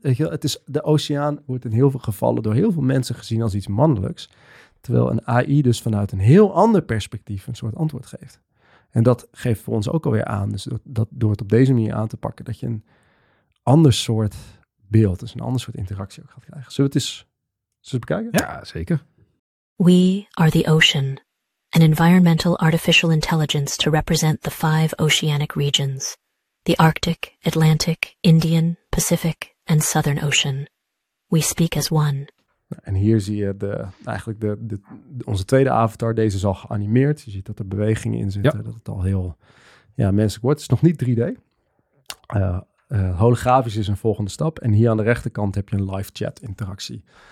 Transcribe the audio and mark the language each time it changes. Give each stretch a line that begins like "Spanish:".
Dutch: Weet je, het is, de oceaan wordt in heel veel gevallen door heel veel mensen gezien als iets mannelijks. Terwijl een AI dus vanuit een heel ander perspectief een soort antwoord geeft. En dat geeft voor ons ook alweer aan, dus door het op deze manier aan te pakken, dat je een ander soort beeld, dus een ander soort interactie ook gaat krijgen. Zullen we het bekijken? Ja, zeker.
English: We are the ocean, an environmental artificial intelligence to represent the five oceanic regions, the Arctic, Atlantic, Indian, Pacific, and Southern Ocean. We speak as one.
Dutch: En hier zie je onze tweede avatar. Deze is al geanimeerd. Je ziet dat er bewegingen in zitten, dat het al heel menselijk wordt. Het is nog niet 3D. Holografisch is een volgende stap. En hier aan de rechterkant heb je een live chat interactie.